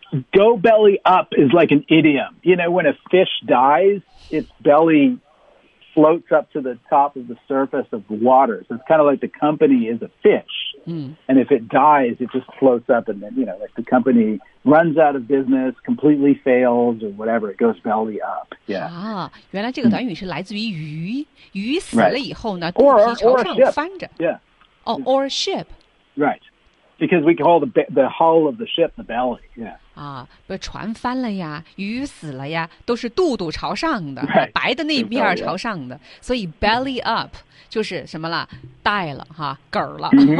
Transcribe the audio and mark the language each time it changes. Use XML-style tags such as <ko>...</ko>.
<en>Go belly up is like an idiom You know when a fish dies its belly floats up to the top of the surface of the water So it's kind of like the company is a fishand if it dies, it just floats up, and then, you know, like the company runs out of business, completely fails, or whatever, it goes belly up. Yeah.</en> <zh>啊，原来这个短语是来自于鱼，鱼死了以后呢，肚皮朝上翻着。</zh> <en>Yeah. Oh, or a ship. Right. Because we call the hull of the ship the belly. Yeah.</en> <zh>啊，不，船翻了呀，鱼死了呀，都是肚肚朝上的，</zh> <en>right.</en> <zh>白的那面朝上的，所以</zh> <en>belly up.</en> <zh>就是什么了带了哈梗儿了、</zh>